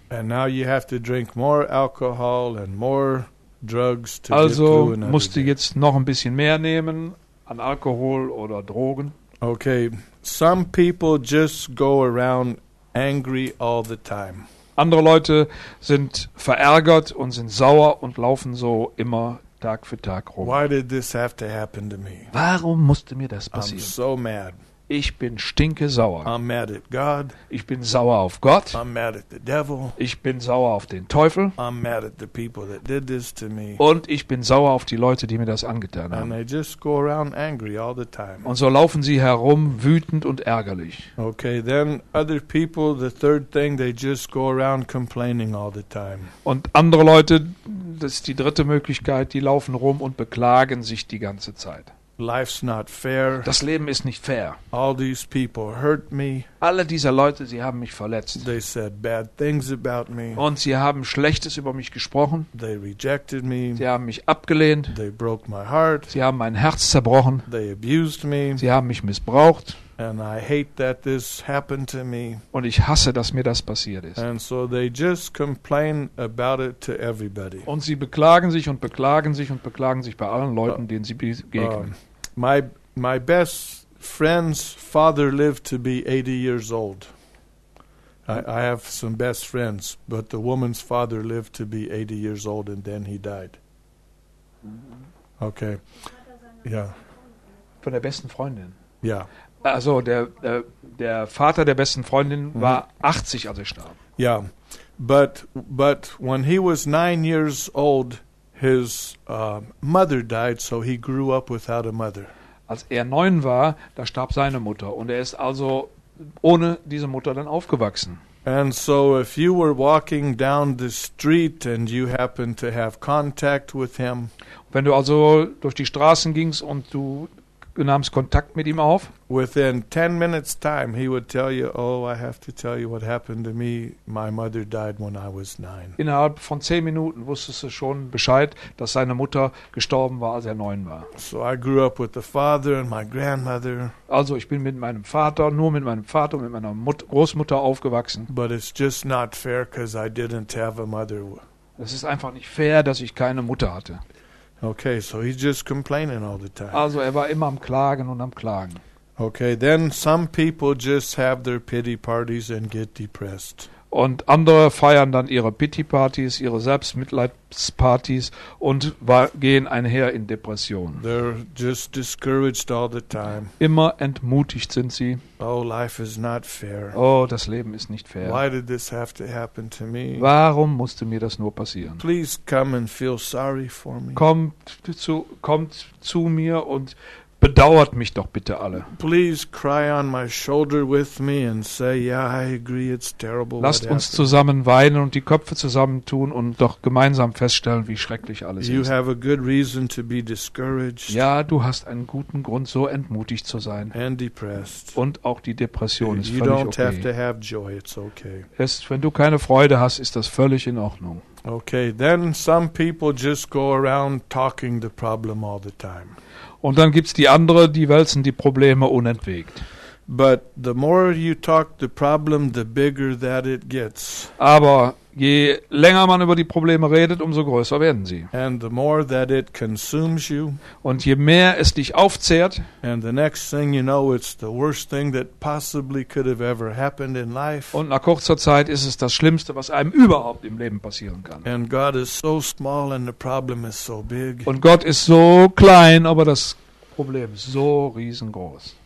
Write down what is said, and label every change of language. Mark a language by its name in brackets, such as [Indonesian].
[English] And now you have to drink more alcohol and more drugs to [German] also [English] get through another [German] musst du jetzt noch ein bisschen mehr nehmen an Alkohol oder Drogen. [English] Okay, some people just go around angry all the time. [German] Andere Leute sind verärgert und sind sauer und laufen so immer Tag für Tag rum. [English] Why did this have to happen to me? [German] Warum musste mir das passieren? [English] I'm so mad. [German] Ich bin stinkesauer. [English] I'm mad at God. [German] Ich bin sauer auf Gott. [English] I'm mad at the devil. [German] Ich bin sauer auf den Teufel. [English] I'm mad at the people that did this to me. [German] Und ich bin sauer auf die Leute, die mir das angetan haben. [English] And they just go around angry all the time. [German] Und so laufen sie herum, wütend und ärgerlich. [English] Okay, then other people, the third thing, they just go around complaining all the time. [German] Und andere Leute, das ist die dritte Möglichkeit, die laufen rum und beklagen sich die ganze Zeit. [English] Life's not fair. [German] Das Leben ist nicht fair. [English] All these people hurt me. [German] Alle diese Leute, sie haben mich verletzt. [English] They said bad things about me. [German] Und sie haben Schlechtes über mich gesprochen. [English] They rejected me. [German] Sie haben mich abgelehnt. [English] They broke my heart. [German] Sie haben mein Herz zerbrochen. [English] They abused me. [German] Sie haben mich missbraucht. [English] And I hate that this happened to me. [German] Und ich hasse, dass mir das passiert ist. [English] And so they just complain about it to everybody. [German] Und sie beklagen sich und beklagen sich und beklagen sich bei allen Leuten, denen sie begegnen. [English] My best friend's father lived to be 80 years old. I have some best friends, but the woman's father lived to be 80 years old and then he died. Okay. Yeah. [German] Von der besten Freundin. Ja. Yeah. Also der Vater der besten Freundin war 80, als er starb. [English] Yeah, but when he was 9 years old, his mother died, so he grew up without a mother. [German] Als er 9 war, da starb seine Mutter und er ist also ohne diese Mutter dann aufgewachsen. [English] And so if you were walking down the street and you happened to have contact with him. [German] Wenn du also durch die Straßen gingst und du nahmst Kontakt mit ihm auf. [English] Within 10 minutes time he would tell you, oh, I have to tell you what happened to me. My mother died when I was 9. [German] Innerhalb von 10 Minuten wusstest du schon Bescheid, dass seine Mutter gestorben war, als er 9 war. [English] So I grew up with the father and my grandmother. [German] Also ich bin mit meinem Vater, nur mit meinem Vater und mit meiner Großmutter aufgewachsen. [English] But it's just not fair because I didn't have a mother. [German] Es ist einfach nicht fair, dass ich keine Mutter hatte. [English] Okay, so he's just complaining all the time. [German] Also er war immer am Klagen und am Klagen. [English] Okay, then some people just have their pity parties and get depressed. [German] Und andere feiern dann ihre Pity Parties, ihre Selbstmitleidspartys und gehen einher in Depressionen. [English] They're just discouraged all the time. [German] Immer entmutigt sind sie. [English] Oh, life is not fair. [German] Oh, das Leben ist nicht fair. [English] Why did this have to happen to me? [German] Warum musste mir das nur passieren? [English] Please come and feel sorry for me. [German] Kommt zu mir und bedauert mich doch bitte alle. [English] Please cry on my shoulder with me and say, yeah, I agree, it's terrible. [German] Lasst uns zusammen weinen und die Köpfe zusammentun und doch gemeinsam feststellen, wie schrecklich alles ist. [English] You have a good reason to be discouraged. [German] Ja, du hast einen guten Grund, so entmutigt zu sein. [English] And depressed. [German] Und auch die Depression ist [English] you [German] völlig [English] don't okay. Have to have joy, it's okay. [German] Erst wenn du keine Freude hast, ist das völlig in Ordnung. [English] Okay, then some people just go around talking the problem all the time. [German] Und dann gibt's die andere, die wälzen die Probleme unentwegt. [English] But the more you talk the problem, the bigger that it gets. [German] Aber je länger man über die Probleme redet, umso größer werden sie. [English] And the more that it consumes you. [German] Und je mehr es dich aufzehrt. [English] And the next thing you know, it's the worst thing that possibly could have ever happened in life. [German] Und nach kurzer Zeit ist es das Schlimmste, was einem überhaupt im Leben passieren kann. [English] And God is so small and the problem is so big. [German] Und Gott ist so klein, aber das Problem ist so riesengroß.